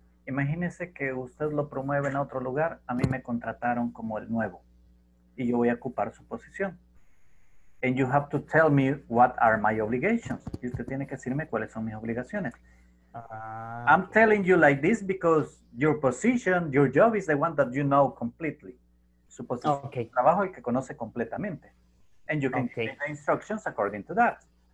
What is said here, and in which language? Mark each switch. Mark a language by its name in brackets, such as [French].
[Spanish] Imagínese que usted lo promueve en otro lugar. A mí me contrataron como el nuevo. Y yo voy a ocupar su posición. [English] And you have to tell me what are my obligations. [Spanish] Y usted tiene que decirme cuáles son mis obligaciones. [English] I'm telling you like this because your position, your job is the one that you know completely. [Spanish] Su posición de trabajo es el que conoce completamente. [English] And you can give the instructions according to that.